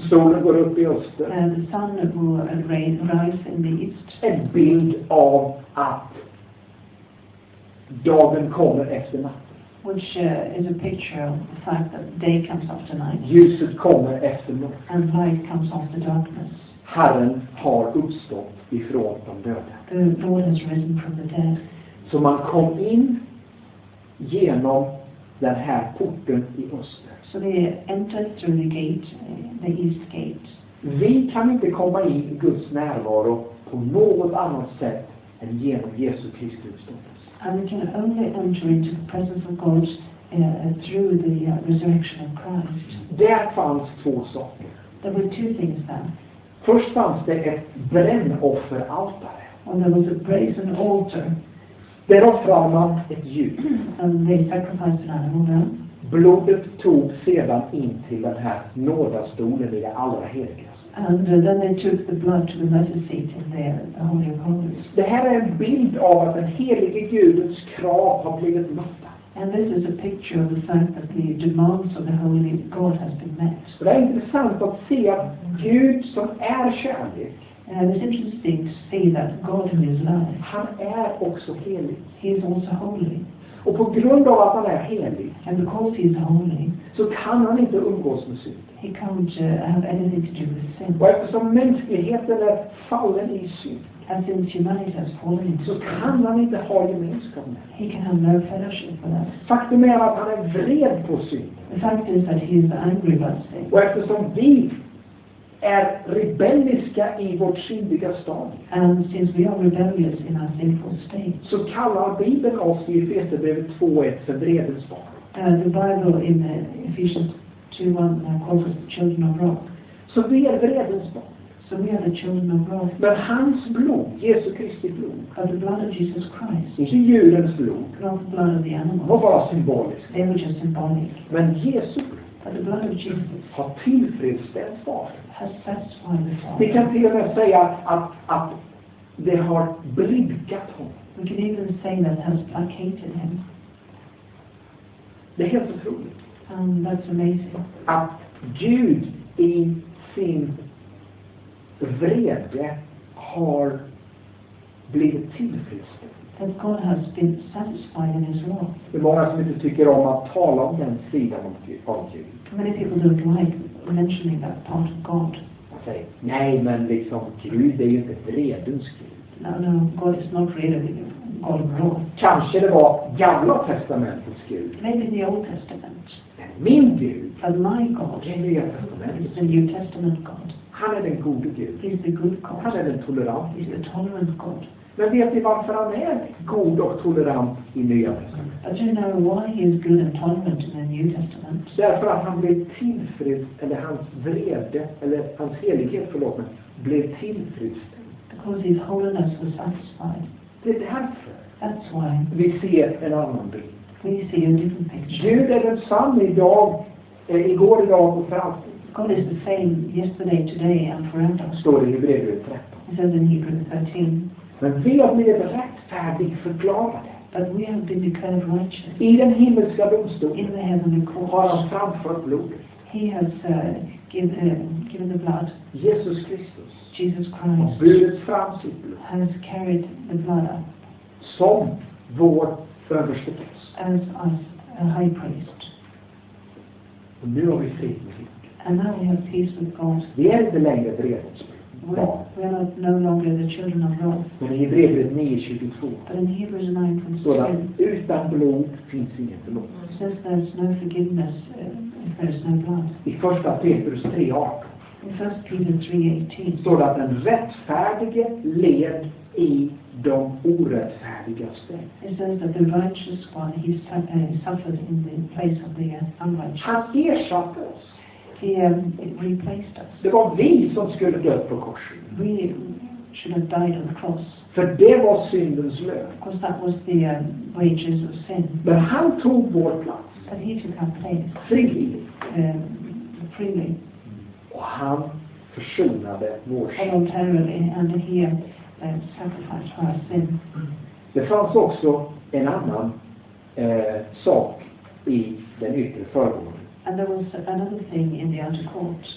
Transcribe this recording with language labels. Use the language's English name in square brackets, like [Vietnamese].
[Swedish] Solen går upp i öster. [English] And the sun will rise in the east. [Swedish] En bild av att dagen kommer efter natten. [English] Which is a picture of the fact that day comes after night. [Swedish] Ljuset kommer efter natten. [English] And light comes after darkness. [Swedish] Herren har uppstått ifrån de döda. [English] The Lord has risen from the dead. [Swedish] Så man kom in genom den här porten i öster. [English] So they entered through the gate, the east gate. [Swedish] Vi kan inte komma in i Guds närvaro på något annat sätt än genom Jesu Kristi uppståndelse. [English] And we can only enter into the presence of God through the resurrection of Christ. [Swedish] Där fanns två saker. [English] There were two things there. [Swedish] Först fanns det ett brännofferaltare. [English] And there was a brazen altar. [Swedish] Där offrade man ett djur. [English] And they sacrificed an animal then. [Swedish] Blodet tog sedan in till den här nådastolen i det allra heligaste. [English] And then they took the blood to the mercy seat in the Holy of Holies. [Swedish] Det här är en bild av att den helige Gudens krav har blivit mötta. [English] And this is a picture of the fact that the demands of the Holy God has been met. [Swedish] Det är intressant att se att Gud som är kärlek. [English] And it's interesting to see that God who is love. [Swedish] Han är också helig. [English] He is also holy. [Swedish] Och på grund av att han är helig. [English] And because he is holy. [Swedish] Så kan han inte umgås med synd. [English] He can't have anything to do with sin. [Swedish] Och eftersom mänskligheten är fallen i synd. [English] And since humanity has fallen into sin. [Swedish] Så kan han inte ha gemenskap med. [English] He can have no fellowship with us. [Swedish] Faktum är att han är vred på synd. [English] The fact is that he is angry about sin. [Swedish] Och eftersom vi är rebelliska i vårt syndiga stadie. [English] And since we are rebellious in our sinful state. [Swedish] Så kallar Bibeln oss i Efesierbrevet 2:1 för vredens barn. [English] The Bible in Ephesians 2:1 calls us the children of wrath. [Swedish] Så vi är vredens barn. [English] So we are the children of wrath. [Swedish] Men hans blod, Jesu Kristi blod. [English] And the blood of Jesus Christ. [Swedish] Inte djurens blod. [English] Not the blood of the animals. [Swedish] Var bara symboliskt. [English] They were just symbolic. [Swedish] Men Jesu [English] blod. The blood of Jesus. [Swedish] Har tillfredsställt barn. [English] Has satisfied the Father. [Swedish] Vi kan till och med säga att det har blidkat honom. [English] We can even say that has placated him. [Swedish] Det är helt otroligt. [English] That's amazing. [Swedish] Att Gud i sin vrede har blivit tillfredsställd. [English] That God has been satisfied in his wrath. [Swedish] Det är många som inte tycker om att tala om den sidan av Gud. [English] Many people don't like mentioning that part of God. Okay. [Swedish] Nej, men liksom Gud är ju inte vredens Gud. [English] No, God is not really God of wrath. [Swedish] Kanske det var Gamla Testamentets Gud. [English] Maybe the Old Testament. [Swedish] Min Gud. [English] But my God. [Swedish] Det är Nya Testamentet. [English] The New Testament God. [Swedish] Han är den gode Gud. [English] He's the good God. [Swedish] Han är den tolerant. [English] He's the tolerant God. [Swedish] Men vet ni varför han är god och tolerant i Nya Testamentet? [English] Do you know why he is good and tolerant in the New Testament? [Swedish] Därför att han blev tillfredsställd, eller hans vrede, eller hans helighet, förlåt mig, blev tillfredsställd. [English] Because his holiness was satisfied. [Swedish] Det är därför. [English] That's why. [Swedish] Vi ser en annan bild. [English] We see a different picture. [Swedish] Gud är densamme idag, igår, idag och för alltid. [English] God is the same yesterday, today and forever. [Swedish] Står i Hebreerbrevet 13. [English] It says in Hebrews 13. [Swedish] Men vi har blivit rättfärdigt förklarade. [English] But we have been declared righteous. [Swedish] I den himmelska domstolen. [English] In the heavenly court. [Swedish] Har han framfört blodet. [English] He has given the blood. [Swedish] Jesus Kristus. [English] Jesus Christ. [Swedish] Har burit fram sitt blod. [English] Has carried the blood up. [Swedish] Som vår överste präst. [English] As us, a high priest. [Swedish] Och nu har vi fred med Gud. [English] And now we have peace with God. [Swedish] Vi är inte längre vredens. [English] We are not no longer the children of God. [Swedish] Men i Hebreerbrevet 9:22. [English] But in Hebrews 9:22. [Swedish] Så där, utan blod finns ingen förlåtelse. [English] It says there's no forgiveness if there's no blood. [Swedish] I första Petrus 3:18. [English] In 1 Peter 3:18. [Swedish] Står att den rättfärdige led i de orättfärdiga ställen. [English] It says that the righteous one suffered in the place of the unrighteous. [Swedish] Han ersatte oss. [English] He replaced us. [Swedish] Det var vi som skulle dö på korset. [English] We should have died on the cross. [Swedish] För det var syndens lön. [English] Because that was the wages of sin. [Swedish] But han tog vår plats. [English] But he took our place. Freely. Freely. [Swedish] Och han försonade vår [English] synd. Voluntarily, and he sacrificed for our sin. [Swedish] Det fanns också en annan sak i den yttre förgården. [English] And there was another thing in the outer court.